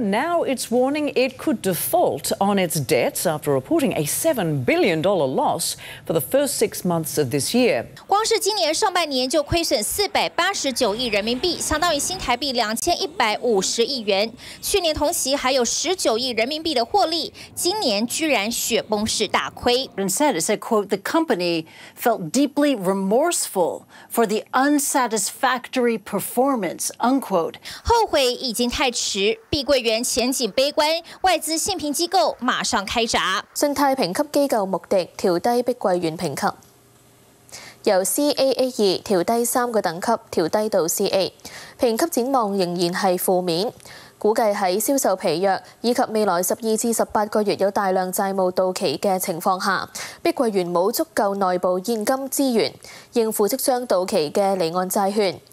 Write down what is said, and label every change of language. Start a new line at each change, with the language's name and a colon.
English: Now it's warning it could default on its debts after reporting a $7 billion loss for the first 6 months of this year.
Chinese: 光是今年上半年就亏损489亿人民币，相当于新台币2150亿元。去年同期还有19亿人民币民币的获利，今年居然雪崩式大亏。
English: It said, quote, the company felt deeply remorseful for the unsatisfactory performance, unquote.
Chinese: 后悔已经太迟，碧桂园前景悲观，外资信评机构马上开闸。信泰评级机构穆迪调低碧桂园评级。由 CAA2 調低三個等級，調低到 CA， 評級展望仍然是負面，估計在銷售疲弱以及未來12至18個月有大量債務到期的情況下，碧桂園沒有足夠內部現金資源應付即將到期的離岸債券。